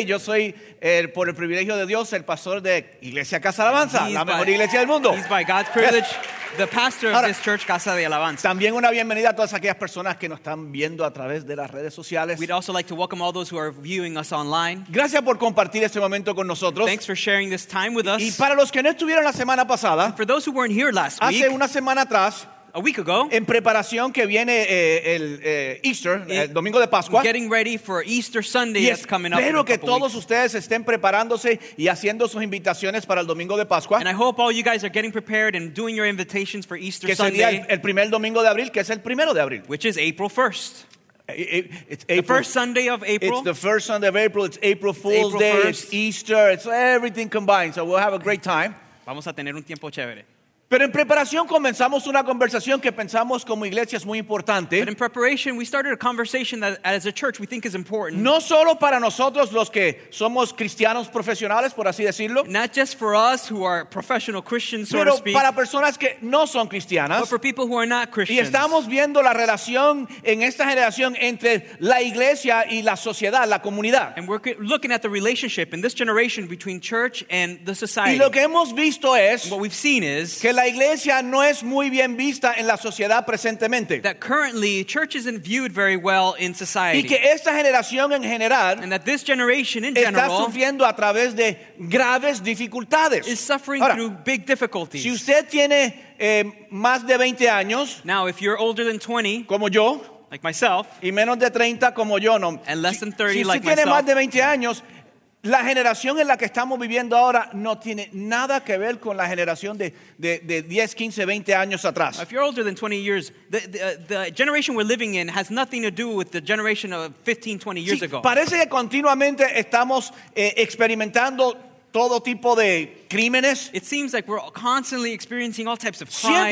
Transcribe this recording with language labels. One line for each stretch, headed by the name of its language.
Spanish: Y yo soy, por el privilegio de Dios, el pastor de Iglesia Casa Alabanza, la mejor iglesia del mundo.
English: He's by God's privilege. Yes. The pastor of this church, Casa de Alabanza.
Spanish: También una bienvenida a todas aquellas personas que nos están viendo a través de las redes sociales.
English: We'd also like to welcome all those who are viewing us online.
Spanish: Gracias por compartir este momento con nosotros.
English: Thanks for sharing this time with us.
Spanish: Y para los que no estuvieron la semana pasada,
English: for those who weren't here last week,
Spanish: hace una semana atrás,
English: a week ago,
Spanish: en preparación que viene Easter, el domingo de Pascua,
English: getting ready for Easter Sunday that's coming up.
Spanish: Espero que todos ustedes estén preparándose y haciendo sus invitaciones para el domingo de Pascua.
English: And I hope all you guys are getting prepared and doing your invitations for Easter Sunday.
Spanish: Que sería el primer domingo de abril, que es el primero de abril.
English: Which is April 1st. It's April. The first Sunday of April. It's the first Sunday of April. It's April Fool's Day. It's Easter. It's everything combined. So we'll have a great time.
Spanish: Vamos a tener un tiempo chévere. Pero en preparación comenzamos una conversación que pensamos como iglesia es muy importante.
English: But in preparation, we started a conversation that as a church we think is important.
Spanish: No solo para nosotros los que somos cristianos profesionales, por así decirlo.
English: Not just for us who are professional Christians, so to speak.
Spanish: Pero para personas que no son cristianas.
English: But for people who are not Christians.
Spanish: Y estamos viendo la relación en esta generación entre la iglesia y la sociedad, la comunidad.
English: And we're looking at the relationship in this generation between church and the society.
Spanish: Y lo que hemos visto es.
English: What we've seen is.
Spanish: Que la iglesia no es muy bien vista en la sociedad presentemente.
English: That currently church isn't viewed very well in society.
Spanish: Y que esta generación en general,
English: and that this generation in
Spanish: está
English: general,
Spanish: sufriendo a través de graves dificultades.
English: Is suffering
Spanish: Ahora,
English: through big difficulties.
Spanish: Si usted tiene más de 20 años,
English: now if you're older than 20,
Spanish: como yo,
English: like myself,
Spanish: y menos de 30 como yo, no,
English: and less than 30
Spanish: si
English: like
Spanish: usted tiene
English: myself,
Spanish: más de 20 años. La generación en la que estamos viviendo ahora no tiene nada que ver con la generación de 10, 15, 20 años atrás.
English: If you're older than 20 years, the generation we're living in has nothing to do with the generation of 15, 20 years
Spanish: sí,
English: ago.
Spanish: Parece que continuamente estamos experimentando todo tipo de crímenes.
English: It seems like we're constantly experiencing all types of crimes.